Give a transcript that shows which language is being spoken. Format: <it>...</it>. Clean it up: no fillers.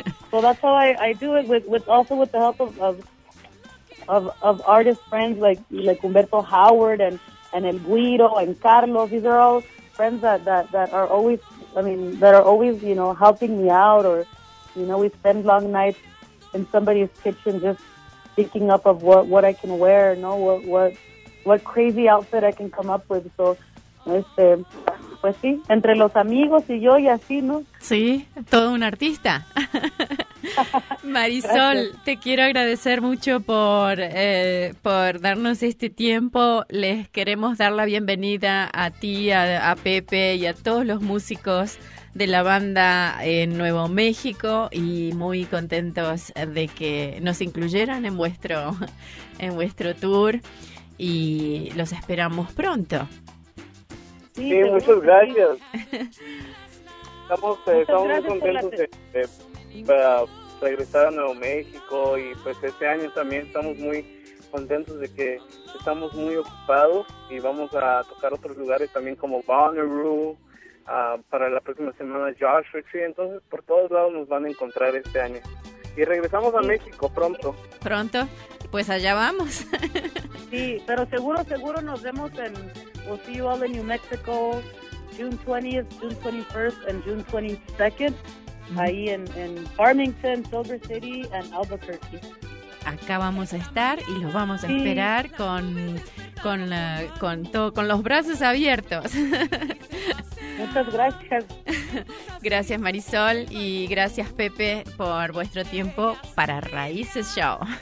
<en>So that's how I do it, with the help of artist friends like Humberto Howard and El Guido and Carlos. These are all friends that are always, you know, helping me out or You know, we spend long nights in somebody's kitchen just thinking up of what I can wear, you know, what crazy outfit I can come up with.</en> <es>So, pues sí, entre los amigos y yo y así, ¿no? Sí, todo un artista. Marisol, gracias. Te quiero agradecer mucho por darnos este tiempo. Les queremos dar la bienvenida a ti, a Pepe y a todos los músicos de la banda en Nuevo México, y muy contentos de que nos incluyeran en vuestro tour, y los esperamos pronto. Sí, muchas gracias. Estamos muy contentos para regresar a Nuevo México, y pues este año también estamos muy contentos de que estamos muy ocupados y vamos a tocar otros lugares también como Bonnaroo, para la próxima semana Joshua Tree. Entonces por todos lados nos van a encontrar este año y regresamos a México pronto, pues allá vamos. Sí, pero seguro nos vemos en,</es> <en>we'll see you all in New Mexico June 20th, June 21st and June 22nd.</en> <es>Ahí en Farmington, Silver City and Albuquerque. Acá vamos a estar y los vamos a esperar con los brazos abiertos. Muchas gracias. Gracias, Marisol, y gracias, Pepe, por vuestro tiempo para Raíces Show.</es>